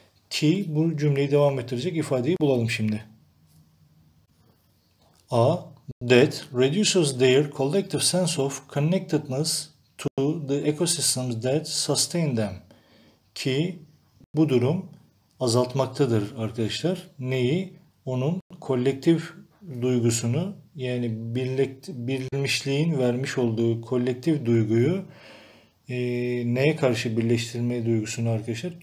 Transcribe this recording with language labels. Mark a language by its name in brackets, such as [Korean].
[Turkish] Ki bu cümleyi devam ettirecek ifadeyi bulalım şimdi. A. [English] That reduces their collective sense of connectedness to the ecosystems that sustain them. [Turkish] Ki bu durum azaltmaktadır arkadaşlar. Neyi? Onun kolektif duygusunu, yani birleşmişliğin vermiş olduğu kolektif duyguyu neye karşı birleştirme duygusunu arkadaşlar?